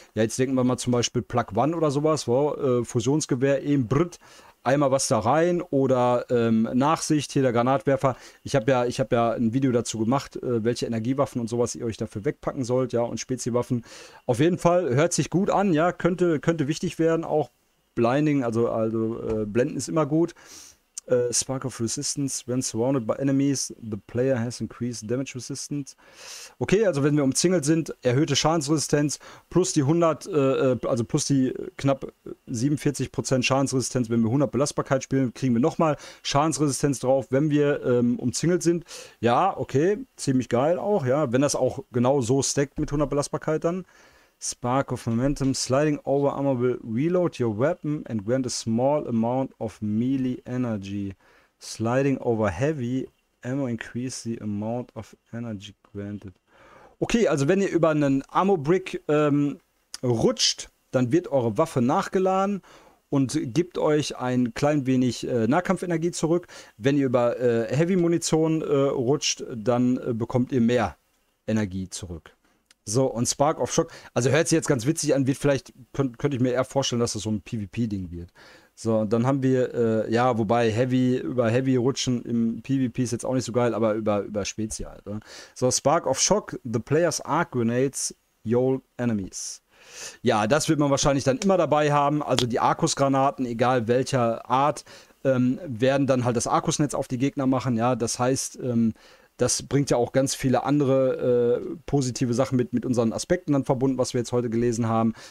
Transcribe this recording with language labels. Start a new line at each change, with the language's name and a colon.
German: Ja, jetzt denken wir mal zum Beispiel Plug One oder sowas, wo Fusionsgewehr eben britt, einmal was da rein, oder Nachsicht, hier der Granatwerfer. Ich hab ja ein Video dazu gemacht, welche Energiewaffen und sowas ihr euch dafür wegpacken sollt, ja, und Speziwaffen. Auf jeden Fall hört sich gut an, ja, könnte wichtig werden, auch Blinding, also Blenden ist immer gut.
English: Spark of Resistance, when surrounded by enemies, the player has increased damage resistance.
German: Okay, also wenn wir umzingelt sind, erhöhte Schadensresistenz plus die 100, also plus die knapp 47% Schadensresistenz, wenn wir 100 Belastbarkeit spielen, kriegen wir nochmal Schadensresistenz drauf, wenn wir umzingelt sind. Ja, okay, ziemlich geil auch, ja, wenn das auch genau so stackt mit 100 Belastbarkeit dann.
English: Spark of Momentum, sliding over armor will reload your weapon and grant a small amount of melee energy. Sliding over heavy ammo increase the amount of energy granted.
German: Okay, also wenn ihr über einen Ammo Brick rutscht, dann wird eure Waffe nachgeladen und gibt euch ein klein wenig Nahkampfenergie zurück. Wenn ihr über Heavy Munition rutscht, dann bekommt ihr mehr Energie zurück. So, und Spark of Shock. Also hört sich jetzt ganz witzig an, wird vielleicht, könnte ich mir eher vorstellen, dass das so ein PvP-Ding wird. So, und dann haben wir, ja, wobei Heavy, über Heavy rutschen im PvP ist jetzt auch nicht so geil, aber über Spezial. Halt, oder?
English: So, Spark of Shock, the players arc grenades, your enemies.
German: Ja, das wird man wahrscheinlich dann immer dabei haben. Also die Arkusgranaten, egal welcher Art, werden dann halt das Arkusnetz auf die Gegner machen. Ja, das heißt, das bringt ja auch ganz viele andere positive Sachen mit unseren Aspekten dann verbunden, was wir jetzt heute gelesen haben.